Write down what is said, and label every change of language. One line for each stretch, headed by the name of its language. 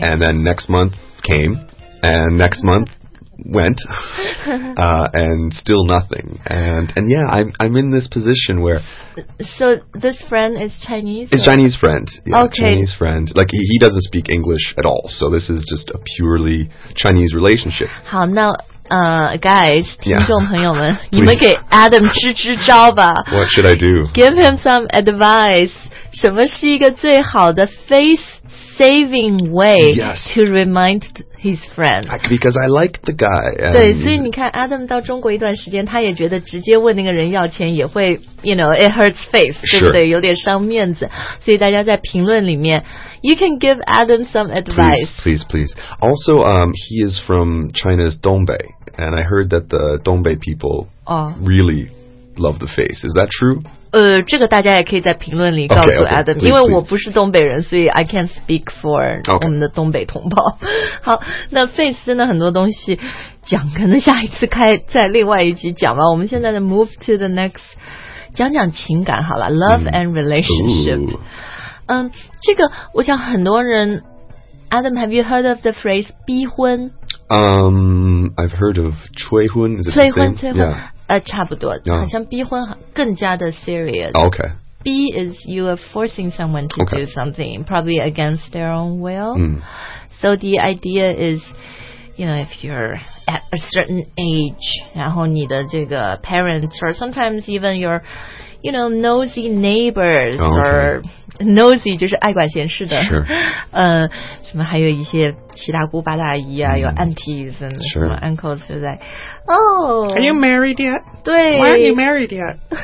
English: And then next month came, and next month,went、and still nothing and yeah I'm in this position where so this friend is Chinese it's、or? Chinese friend yeah, okay Chinese friend like he doesn't speak English at all so this is just a purely Chinese relationship
Chinese: 好那guys、
English: yeah.
Chinese: 听众朋友们你们给 Adam 支支招吧
English: what should I do give him some advice
Chinese: 什么是一个最好的 face saving way、
English: yes. to remindhis friend because I like the guy
Chinese: 对所以你看 Adam 到中国一段时间他也觉得直接问那个人要钱也会
English: you know it hurts face
Chinese: 对不对、有点伤面子所以大家在评论里面
English: you can give Adam some advice please please please also he is from China's Dongbei and I heard that the Dongbei people、 oh. really love the face is that true?
Chinese: 这个大家也可以在评论里告诉 Adam
English: okay, please,
Chinese: 因为我不是东北人所以
English: I can't speak for、 okay.
Chinese: 我们的东北同胞好那 face 真的很多东西讲可能下一次开在另外一集讲吧我们现在的
English: move to the next
Chinese: 讲讲情感好了 love、mm.
English: and relationship、 Ooh. 嗯，
Chinese: 这个我想很多人
English: Adam have you heard of the phrase 逼婚 I've heard of 催婚 is it
Chinese: 催婚催婚、
English: yeah.
Chinese: 差不多、
English: yeah.
Chinese: 好像逼婚更加的 serious
English: Okay B is you are forcing someone to、 okay. do something Probably against their own will、 mm. So the idea is You know if you're at a certain age
Chinese: 然后你的这个
English: parents Or sometimes even your You know nosy neighbors、 okay.
Chinese: Or nosy 就是爱管闲事的、
English: sure.
Chinese: 什么还有一些七大姑八大姨啊、mm. 有 aunties and、
English: sure.
Chinese: 什么 uncles 就在Oh,
English: are you married yet?
Chinese: 对
English: Why aren't you married yet?